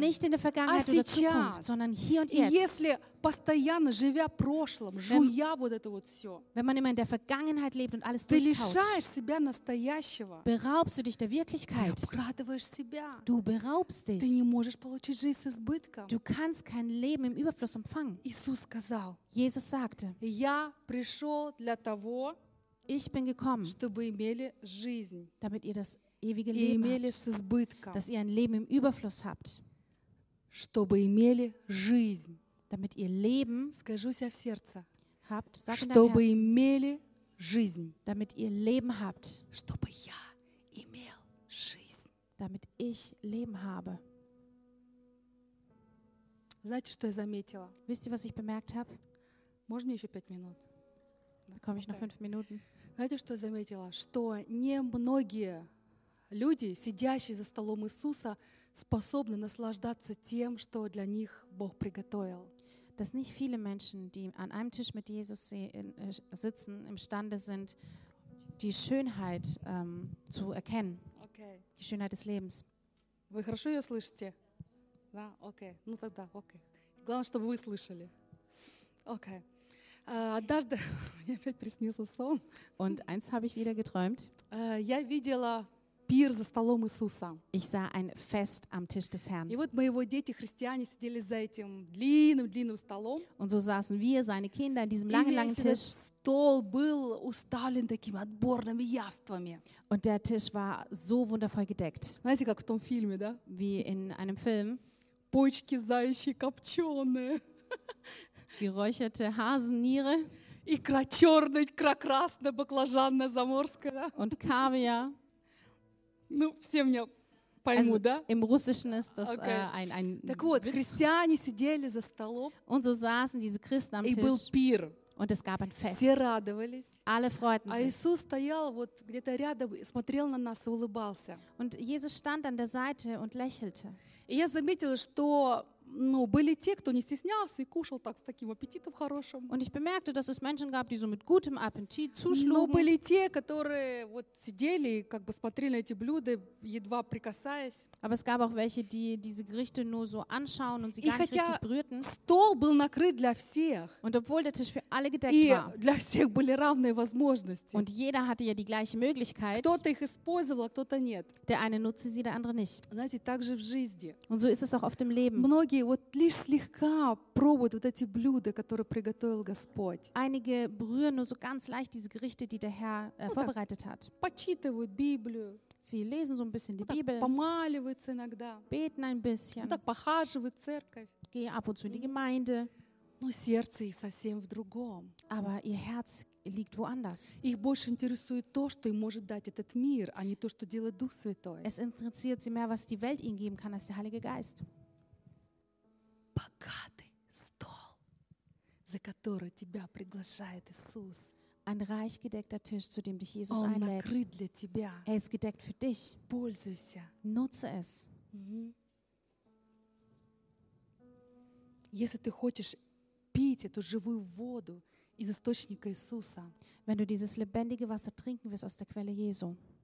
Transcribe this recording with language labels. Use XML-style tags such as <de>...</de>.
<de>Nicht in der Vergangenheit oder Zukunft, sondern hier und jetzt.</de> <ru>Если постоянно живя прошлым, жуя вот это вот все.</ru> <de>Wenn man immer in der Vergangenheit lebt und alles durchkaut.</de> <ru>Ты лишаешь себя настоящего.</ru> <de>Beraubst du dich der Wirklichkeit.</de> <ru>Ты обкрадываешь себя.</ru> <de>Du beraubst dich.</de> <ru>Ты не можешь получить жизнь с избытком.</ru> <de>Du kannst kein Leben im Überfluss empfangen.</de> <ru>Иисус сказал.</ru> <de>Jesus sagte.</de> <ru>Я пришел для того,</ru> <de>ich bin gekommen,</de> <ru>чтобы имели жизнь,</ru> <de>damit ihr das ewige Leben</de> <ru>имели</ru> <de>habt,</de> <ru>с избытком,</ru> <de>dass ihr ein Leben im Überfluss habt,</de> <ru>чтобы имели жизнь,</ru> <de>damit ihr Leben,</de> <ru>скажу себя в сердце,</ru> <de>habt,</de> <ru>чтобы имели жизнь,</ru> <de>damit ihr Leben habt,</de> <ru>чтобы я имел жизнь,</ru> <de>damit ich Leben habe.</de> <ru>Знаете, что я заметила?</ru> <de>Wisst ihr, was ich bemerkt habe?</de> <ru>Можно мне еще 5 минут?</ru> <de>Bekomme ich noch 5 Minuten.</de> <ru>Знаете, что я заметила? Что немногие люди, сидящие за столом Иисуса, способны наслаждаться тем, что для них Бог приготовил.</ru> <de>Dass nicht viele Menschen, die an einem Tisch mit Jesus sitzen, imstande sind, die Schönheit zu erkennen. Okay. Die Schönheit des Lebens.</de> <ru>Вы хорошо ее слышите? Да? Окей. Ну тогда, окей. Главное, чтобы вы слышали. Окей. Однажды мне опять приснился сон.</ru> <de>Und eins habe ich wieder geträumt.</de> <ru>Я видела пир за столом Иисуса.</ru> <de>Ich sah ein Fest am Tisch des Herrn.</de> <ru>И вот мои дети, христиане, сидели за этим длинным столом.</ru> <de>Und so saßen wir, seine Kinder, an diesem langen Tisch.</de> <ru>И весь стол был уставлен такими отборными яствами.</ru> <de>Und der Tisch war so wundervoll gedeckt.</de> <ru>Знаете, как в том фильме, да?</ru> <de>Wie in einem Film.</de> <ru>Почки заячьи копченые.</ru> <de>Geräucherte Hasenniere.</de> <ru>Икра черная, икра красная, баклажанная, заморская.</ru> <de>Und Kaviar.</de> <ru>Ну, все меня поймут, also, да?</ru> <de>Im Russischen ist das okay. ein</de> <ru>Так вот,</ru> <de>Witz.</de> <ru>Христиане сидели за столом.</ru> <de>Und so saßen diese Christen am</de> <ru>и</ru> <de>Tisch.</de> <ru>Был пир.</ru> <de>Und es gab ein Fest.</de> <ru>Все радовались.</ru> <de>Alle freuten</de> <ru>а</ru> <de>sich.</de> <ru>Иисус стоял вот где-то рядом, смотрел на нас и улыбался.</ru> <de>Und Jesus stand an der Seite und lächelte.</de> <ru>И я заметила, что ну, были те, кто не стеснялся и кушал так с таким аппетитом хорошим.</ru> <de>Und ich bemerkte, dass es Menschen gab, die so mit gutem Appetit zuschlugen.</de> <ru>Но были те, которые вот сидели и как бы смотрели на эти блюда, едва прикасаясь.</ru> <de>Aber es gab auch welche, die diese Gerichte nur so anschauen und sie gar nicht richtig berührten.</de> <ru>Стол был накрыт для всех.</ru> <de>Und obwohl der Tisch für alle gedeckt war.</de> <ru>И для всех были равные возможности.</ru> <de>Und jeder hatte ja die gleiche Möglichkeit.</de> <ru>Кто-то их использовал, а кто-то нет.</ru> <de>Der eine nutzte sie, der andere nicht.</de> <ru>Знаете, так же в жизни.</ru> <de>Und so ist es auch oft im Leben.</de> <ru>Вот лишь слегка пробуют вот эти блюда, которые приготовил Господь.</ru> <de>Einige berühren nur so ganz leicht diese Gerichte, die der Herr vorbereitet hat.</de> <ru>Почитывают Библию.</ru> <de>Sie lesen so ein bisschen die Bibel.</de> <ru>Помаливаются иногда.</ru> <de>Beten ein bisschen.</de> <ru>Так похаживают церковь.</ru> <de>Gehen ab und zu in die Gemeinde.</de> <ru>Но сердце их совсем в другом.</ru> <de>Aber ihr Herz liegt woanders.</de> <ru>Их больше интересует то, что им может дать этот мир, а не то, что делает Дух Святой.</ru> <de>Es interessiert sie mehr, was die Welt ihnen geben kann, als der Heilige Geist.</de> <ru>Богатый стол, за который тебя приглашает Иисус.</ru> <de>ein reich gedeckter Tisch, zu dem dich Jesus einlädt. Er ist gedeckt für dich.</de> <ru>Пользуйся.</ru> <de>Nutze es.</de> <ru>Если ты хочешь пить эту живую воду из источника Иисуса,</ru> <de>wenn du dieses lebendige Wasser trinken willst aus der Quelle Jesu,</de>